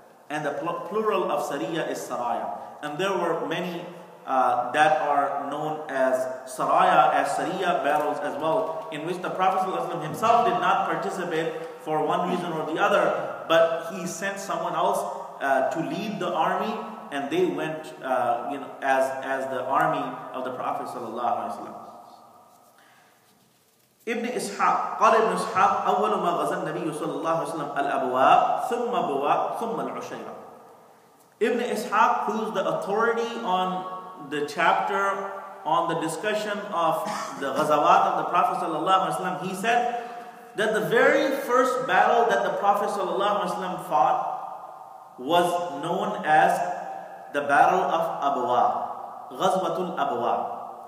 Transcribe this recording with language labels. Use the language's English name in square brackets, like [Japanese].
[English] And the plural of Sariyya is Saraya. And there were many that are known as Saraya, as Sariyya battles as well, in which the Prophet ﷺ himself did not participate for one reason or the other, but he sent someone else to lead the army, and they went as the army of the Prophet ﷺ. [Arabic] Ibn Ishaq, قال Ibn Ishaq, أول ما غزا النبي صلى الله عليه وسلم الأبواب ثم بواء ثم العشيرة. [English] Ibn Ishaq, who's the authority on the chapter on the discussion of the Ghazawaat of the Prophet صلى الله عليه وسلم, he said that the very first battle that the Prophet صلى الله عليه وسلم fought was known as the Battle of Abwa, Ghazwatul Abwa.